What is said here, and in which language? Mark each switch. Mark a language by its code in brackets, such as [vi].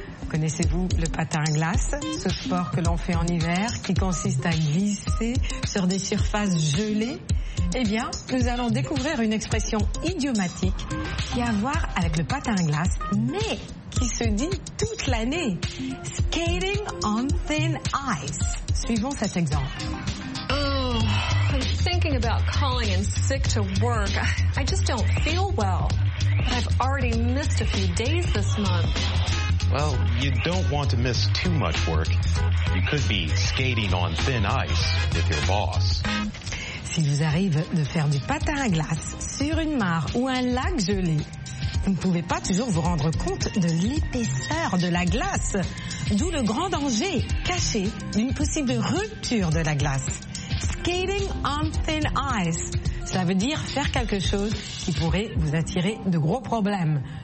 [fr] Connaissez-vous le patin à glace, ce sport que l'on fait en hiver qui consiste à glisser sur des surfaces gelées? Eh bien, nous allons découvrir une expression idiomatique qui a à voir avec le patin à glace, mais qui se dit toute l'année. [en] Skating on thin ice. [fr] Suivons cet exemple. [en] Oh, I'm thinking about calling in sick to work. I just don't feel well. But I've already missed a few days this month. Well, you don't want to miss too much work. You could be skating on thin ice with your boss. [fr] S'il vous arrive de faire du patin à glace sur une mare ou un lac gelé, vous ne pouvez pas toujours vous rendre compte de l'épaisseur de la glace, d'où le grand danger caché d'une possible rupture de la glace. [en] Skating on thin ice, [fr] cela veut dire faire quelque chose qui pourrait vous attirer de gros problèmes.